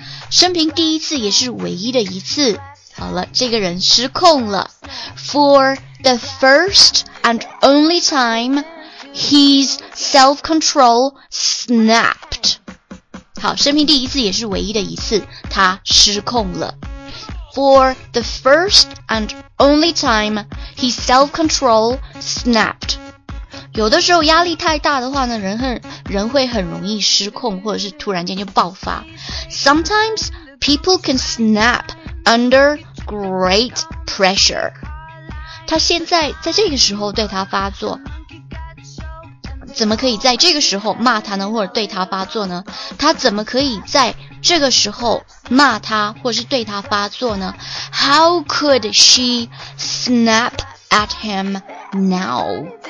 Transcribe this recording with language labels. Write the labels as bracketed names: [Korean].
[Chinese] 生平第一次也是唯一的一次好了这个人失控了 [English] For the first and only time His self-control snapped [Chinese] 好生平第一次也是唯一的一次他失控了 [English] For the first and only time, his self-control snapped. [Chinese] 有的时候压力太大的话呢，人会很容易失控，或者是突然间就爆发。 [English] Sometimes people can snap under great pressure. [Chinese] 他现在在这个时候对他发作，怎么可以在这个时候骂他呢？或者对他发作呢？他怎么可以在这个时候骂他或是对他发作呢 [English] How could she snap at him now?